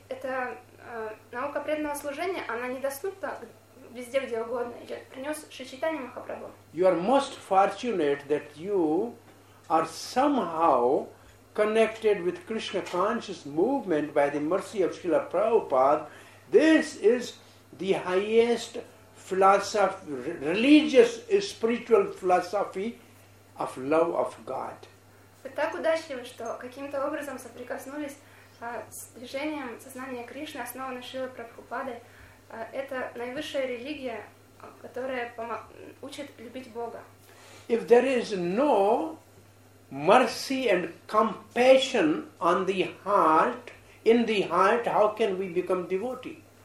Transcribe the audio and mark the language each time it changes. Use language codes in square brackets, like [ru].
[ru] Это наука преданного служения, она недоступна везде, где угодно. Я принес Шри Чайтанья Махапрабху. [en] You are most fortunate that you are somehow connected with Krishna conscious movement by the mercy of Srila Prabhupada. This is the highest philosophy, religious, spiritual philosophy of love of God. [ru] Вы так удачливы, что каким-то образом соприкоснулись с движением сознания Кришны, основанной Шрилой Прабхупадой. Это наивысшая религия, которая учит любить Бога. [en] If there is no mercy and compassion on the heart, in the heart, how can we become devotee?